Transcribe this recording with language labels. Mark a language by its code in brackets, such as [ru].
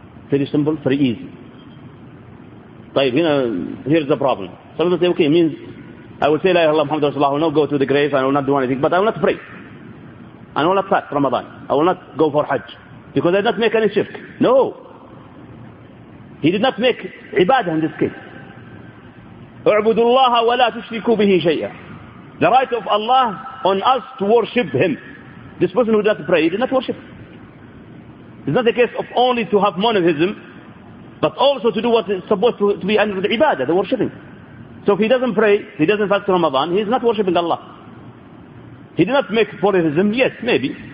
[en] Very simple, very easy. طيب, here's the problem. Some of them say, okay, it means I will say, La ilaha illa Muhammad Rasulullah, I will not go to the grave, I will not do anything, but I will not pray. I will not fast Ramadan. I will not go for Hajj. Because I did not make any shirk. No. He did not make ibadah in this case. [ar] اعبدوا الله ولا تشركوا به شيئا. [en] The right of Allah on us to worship him. This person who did not pray, he did not worship. It's not a case of only to have monotheism, but also to do what is supposed to be under the ibadah, the worshipping. So if he doesn't pray, he doesn't fast Ramadan, he's not worshipping Allah. He did not make polytheism, yes, maybe.